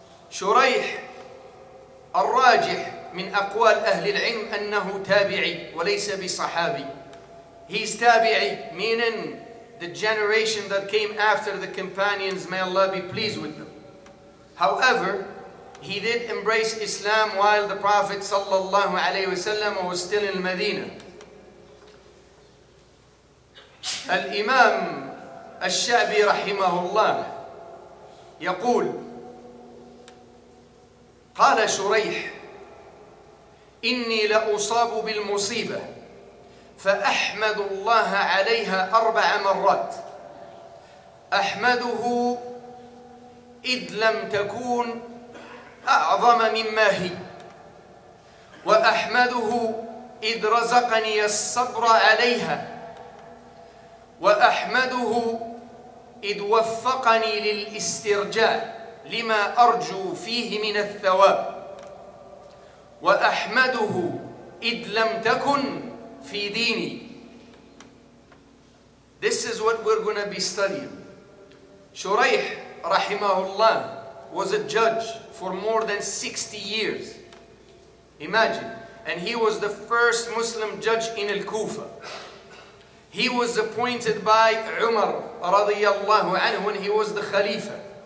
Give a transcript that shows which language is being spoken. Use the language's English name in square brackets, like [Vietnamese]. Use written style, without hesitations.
[Arabic] شريح الراجح من أقوال أهل العلم أنه تابعي وليس بصحابي. [English] He's tabi'i, meaning the generation that came after the companions, may Allah be pleased with them. However, he did embrace Islam while the Prophet sallallahu alayhi wa sallam was still in Medina. [Arabic] Al-Imam al-Sha'bi rahimahullah yaqul qala shuraih inni la'usabu bil musibah فأحمد الله عليها أربع مرات. أحمده إذ لم تكون أعظم مما هي، وأحمده إذ رزقني الصبر عليها، وأحمده إذ وفقني للاسترجاع لما أرجو فيه من الثواب، وأحمده إذ لم تكن في ديني. [English] This is what we're going to be studying. Shuraih rahimahullah was a judge for more than 60 years. Imagine. And he was the first Muslim judge in Al-Kufa. He was appointed by Umar radiyallahu anhu when he was the Khalifa.